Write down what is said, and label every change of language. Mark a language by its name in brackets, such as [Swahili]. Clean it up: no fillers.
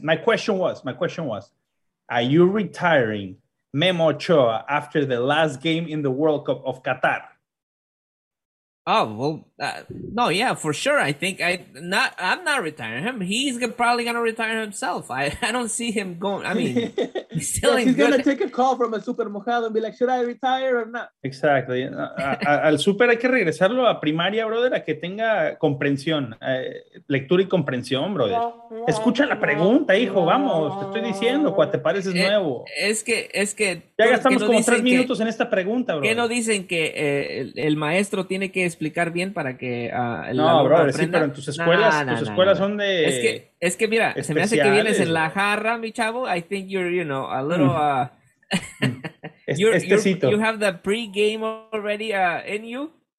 [English] My question was, are you retiring Memo Ochoa after the last game in the World Cup of Qatar? I'm not retiring him. He's probably gonna retire himself. I don't see him going. I mean, he's gonna take a call from a Super Mojado and be like, should I retire or not? Exactly. [Spanish] al Super hay que regresarlo a primaria, brother, a que tenga comprensión, lectura y comprensión, brother. Escucha la pregunta, hijo. Vamos, te estoy diciendo, cuate, pareces nuevo. Es que ya gastamos como 3 minutos en esta pregunta, brother. ¿Qué no dicen que el maestro tiene que explicar bien para que pero en tus escuelas son de es que mira especiales. Se me hace que vienes en la jarra, mi chavo. [English] I think you're, you know, a little you have the pre-game already in you.